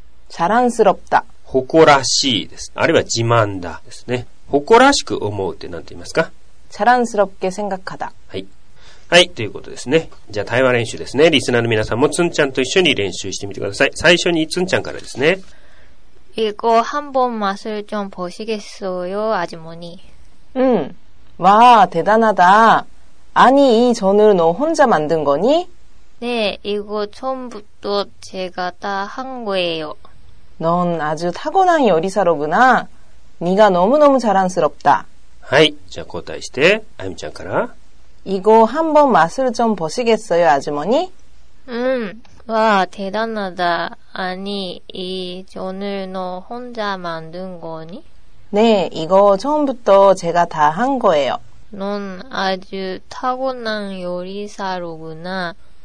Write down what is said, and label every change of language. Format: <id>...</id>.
<ko>자란스럽다。</ko> <ja>誇らしいです。あるいは自慢だですね。誇らしく思うって何て言いますか？</ja> <ko>자란스럽게생각하다。</ko> <ja>はい。はい、ということですね。じゃあ対話練習ですね。リスナーの皆さんもツンちゃんと一緒に練習してみてください。最初にツンちゃんからですね。</ja> <ko>이거한번맛을좀보시겠어요아주머니</ko> <ja>うん。</ja> <ko>와대단하다아니이전을너혼자만든거니 네이거처음부터제가다한거예요 넌아주타고난요리사로구나네가너무너무자랑스럽다</ko> <ja>はい、じゃあ交代してあゆみちゃんから</ja> <ko>이거한번맛을좀보시겠어요아주머니 와대단하다아니이전을너혼자만든거니 네이거처음부터제가다한거예요 넌 아주 타고난 요리사로구나.</ko>